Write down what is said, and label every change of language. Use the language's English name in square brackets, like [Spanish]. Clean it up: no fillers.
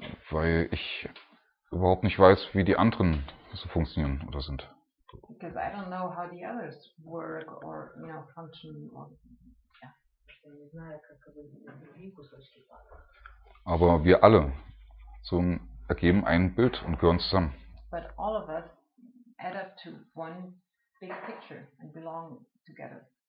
[German] Weil ich überhaupt nicht weiß, wie die anderen so funktionieren oder sind. [English] Because I don't know how the others work or, you know, function or, yeah. [German] Aber wir alle so ergeben ein Bild und gehören zusammen. [English] But all of us add up to one big picture and belong together.